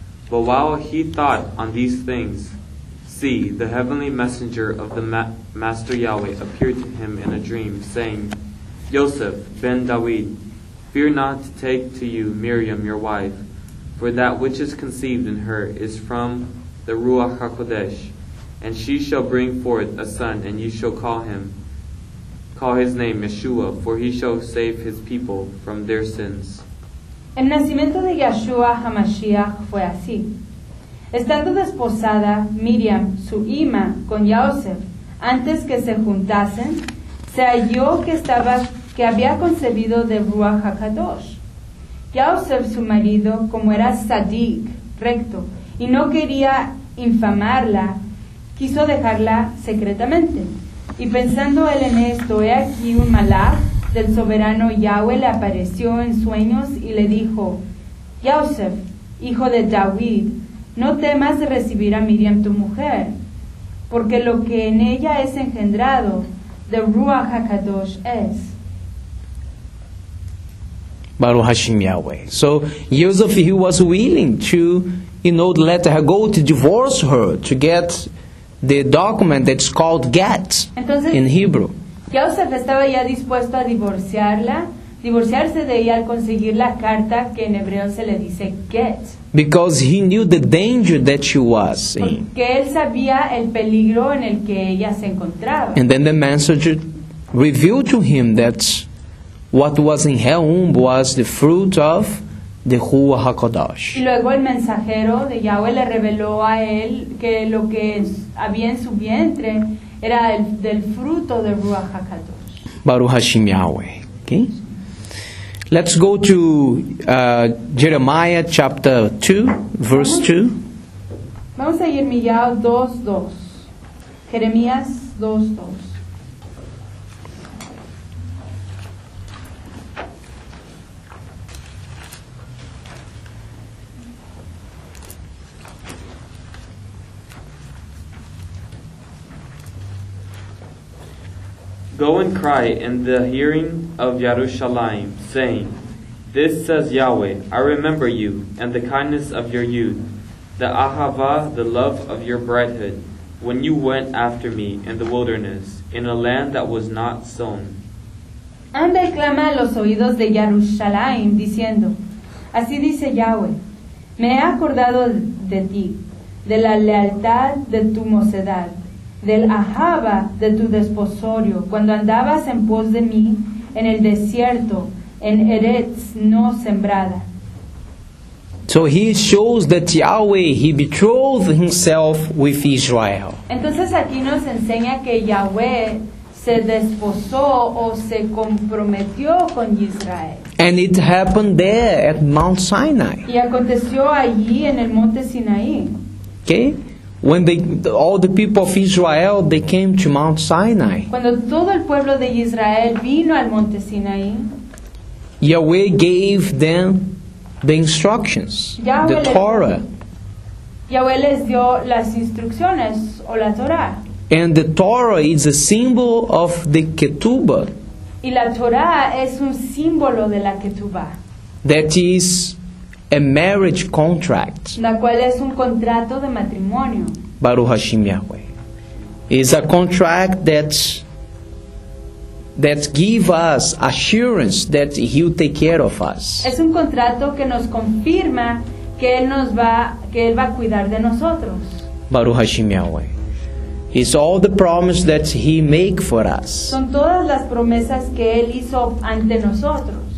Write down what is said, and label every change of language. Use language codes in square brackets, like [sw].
[en] But while he thought on these things, see, the heavenly messenger of the Master Yahweh appeared to him in a dream, saying, Joseph ben David, fear not to take to you Miriam your wife, for that which is conceived in her is from the Ruach HaKodesh, and she shall bring forth a son, and you shall call his name Yeshua, for he shall save his people from their sins. [es] El nacimiento de Yeshua HaMashiach fue así. Estando desposada Miriam, su ima, con Joseph, antes que se juntasen, se halló que había concebido de Ruach HaKadosh. Joseph, su marido, como era tzadik, recto, y no quería infamarla, quiso dejarla secretamente. Y pensando él en esto, he aquí un malaj del soberano Yahweh le apareció en sueños y le dijo: Joseph, hijo de David, no temas de recibir a Miriam tu mujer, porque lo que en ella es engendrado de Ruach HaKadosh es. [he] Baruch Hashem Yahweh. [en] So Joseph, he was willing to, you know, let her go to divorce her, to get the document that's called get. [es] Entonces, [en] in Hebrew. [es] Joseph estaba ya dispuesto a divorciarse de ella al conseguir la carta que en hebreo se le dice get. [en] Because he knew the danger that she was in. [es] Porque él sabía el peligro en el que ella se encontraba. [en] And then the messenger revealed to him that what was in her womb was the fruit of the Ruach HaKadosh. [es] Y luego el mensajero de Yahweh le reveló a él que lo que había en su vientre era del fruto de Ruach HaKadosh. [he] Baruch Hashem Yahweh. Okay. [en] Let's go to Jeremiah chapter 2, verse 2. [es] Vamos a Jeremías 2:2. Jeremías 2:2. [en] Go and cry in the hearing of Yerushalayim, saying, This says Yahweh, I remember you, and the kindness of your youth, the ahava, the love of your bridehood, when you went after me in the wilderness, in a land that was not sown. [es] Anda y clama a los oídos de Yerushalayim, diciendo, Así dice Yahweh, me he acordado de ti, de la lealtad de tu mocedad, del ahava de tu desposorio, cuando andabas en pos de mí en el desierto, en Eretz no sembrada. [en] So he shows that Yahweh, he betrothed himself with Israel. [es] Entonces aquí nos enseña que Yahweh se desposó o se comprometió con Israel. [en] And it happened there at Mount Sinai. [es] Y aconteció allí en el monte Sinaí. [en] Okay? When all the people of Israel, they came to Mount Sinai. [es] Cuando todo el pueblo de Israel vino al monte Sinaí, [en] Yahweh gave them the instructions, [es] Yahweh [en] the Torah. [es] Yahweh les dio las instrucciones, o la Torah. [en] And the Torah is a symbol of the Ketubah. [es] Y la Torah es un símbolo de la Ketubah. [en] That is a marriage contract. [es] La cual es un contrato de matrimonio. [he] Baruch Hashem Yahweh. [en] It's a contract that gives us assurance that He'll take care of us. [es] Es un contrato que nos confirma que Él nos va, que Él va a cuidar de nosotros. [he] Baruch Hashem Yahweh. [en] It's all the promises that He make for us. [es] Son todas las promesas que Él hizo ante nosotros.